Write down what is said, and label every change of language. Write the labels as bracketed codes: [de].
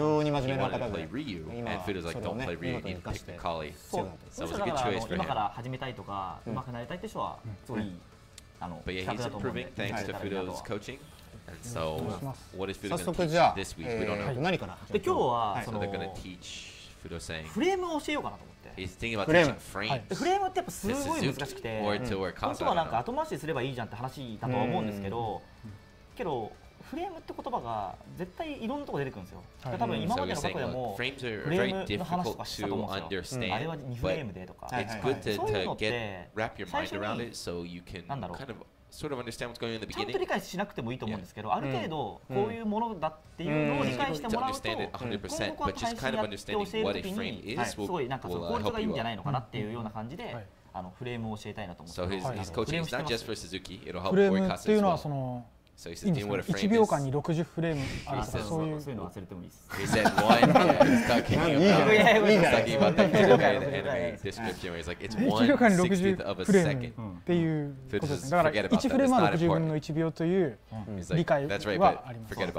[en] wanted to play Ryu, and Fudo's like, don't play Ryu, you need to pick the Kali. So it was a good choice for him. But yeah, he's improving thanks to Fudo's coaching. And so, what is Fudo going to teach this week? We don't know. [ja] で今日はその [en] they're going to teach Fudo saying [ja] フレームを教えようかなと。 [en] He's thinking about teaching frames. [ja] フレームってやっぱすごい難しくて、本当はなんか後回しすればいいじゃんって話だとは思うんですけど、けどフレームって言葉が絶対いろんなとこ出てくるんですよ。多分今までの過去でもフレームの話とかしたと思うんですよ。あれは2フレームでとか、そういうのって最初に何だろう。 [en] Sort of understand what's going on in the beginning. [ja] ちゃんと理解しなくてもいいと思うんですけど、ある程度こういうものだっていうのを理解してもらうと、今後こうやって配信やって教える時に、すごいなんかその効率がいいんじゃないのかなっていうような感じで、あのフレームを教えたいなと思って。 [en] So his coaching is not just for Suzuki. It'll help. [ja] フレームっていうのはその1秒間に60フレームあるとかそういうのを忘れてもいいです。 [en] He said one. He's talking about the anime description where he's like it's 1/60th of a second. [ja] っていうことですね。だから1フレームは60分の1秒という理解はあります。